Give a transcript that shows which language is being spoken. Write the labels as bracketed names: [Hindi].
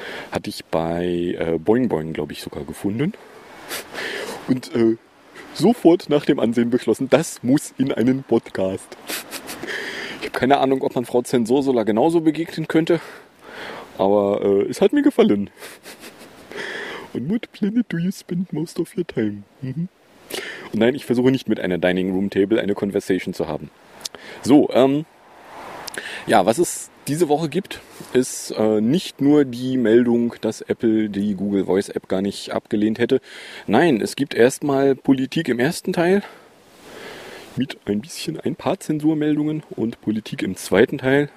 [German] Hatte ich bei Boing Boing, glaube ich, sogar gefunden. Und sofort nach dem Ansehen beschlossen, das muss in einen Podcast. Ich habe keine Ahnung, ob man Frau Zensursola genauso begegnen könnte. Aber es hat mir gefallen. [English] On what planet do you spend most of your time? [German] Und nein, ich versuche nicht mit einer [English] Dining Room Table [German] eine Conversation zu haben. So, was es diese Woche gibt, ist nicht nur die Meldung, dass Apple die Google Voice App gar nicht abgelehnt hätte. Nein, es gibt erstmal Politik im ersten Teil mit ein paar Zensurmeldungen und Politik im zweiten Teil.